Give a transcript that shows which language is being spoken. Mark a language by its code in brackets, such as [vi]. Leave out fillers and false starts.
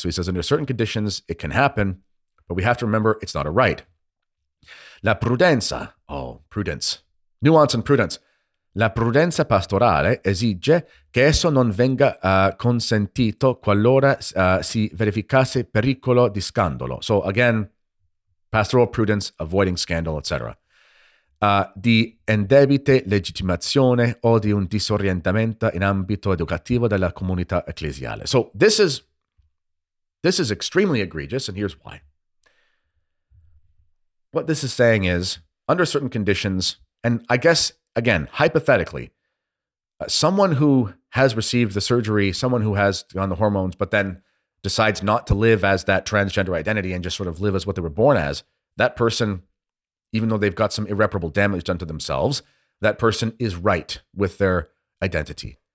[en] So he says, under certain conditions, it can happen, but we have to remember it's not a right. [it] La prudenza, [en] prudence, nuance and prudence. [it] La prudenza pastorale esige che esso non venga consentito qualora si verificasse pericolo di scandalo. [en] So again, pastoral prudence, avoiding scandal, etc. [it] Di indebite legittimazione o di un disorientamento in ambito educativo della comunità ecclesiale. [en] So this is extremely egregious, and here's why. What this is saying is, under certain conditions, and I guess, again, hypothetically, someone who has received the surgery, someone who has gone the hormones, but then decides not to live as that transgender identity and just sort of live as what they were born as, that person, even though they've got some irreparable damage done to themselves, that person is right with their identity.